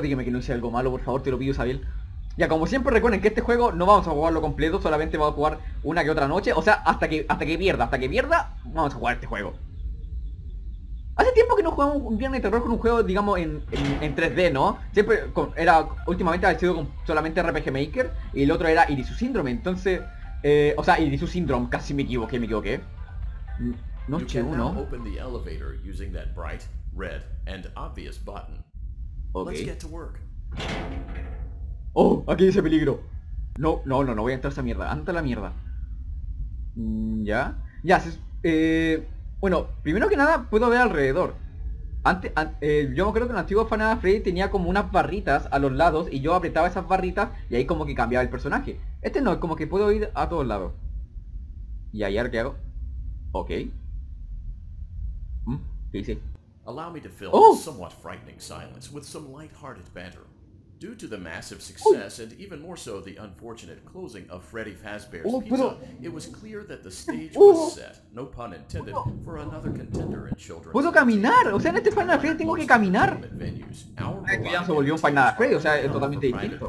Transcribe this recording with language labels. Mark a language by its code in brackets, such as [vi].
[es] Dígame que no hice algo malo, por favor, te lo pido, Isabel. Ya, como siempre, recuerden que este juego no vamos a jugarlo completo, solamente vamos a jugar una que otra noche. O sea, hasta que pierda, vamos a jugar este juego. Hace tiempo que no jugamos un viernes de terror con un juego, digamos, en 3D, ¿no? Siempre, últimamente ha sido con solamente RPG Maker y el otro era Irisu Syndrome. Entonces, Irisu Syndrome, casi me equivoqué. Noche 1. [en] You can open the elevator using that bright, red, and obvious button. Okay. Let's get to work. [es] Oh, aquí dice peligro. No, voy a entrar a esa mierda. Anda la mierda. Ya. Ya, bueno, primero que nada, puedo ver alrededor. Antes, yo me acuerdo que en el antiguo Final Freddy tenía como unas barritas a los lados y yo apretaba esas barritas y ahí como que cambiaba el personaje. Este no, es como que puedo ir a todos lados. ¿Y ahí ahora qué hago? Ok. Sí, sí. [en] Allow me to fill this somewhat frightening silence with some light-hearted banter. Due to the massive success, and even more so the unfortunate closing of Freddy Fazbear's Pizza, it was clear that the stage was set, no pun intended, for another contender in children's... [es] ¿Puedo caminar? O sea, en este Final Freddy tengo que caminar. Ya se volvió un Final Freddy, o sea, es totalmente distinto.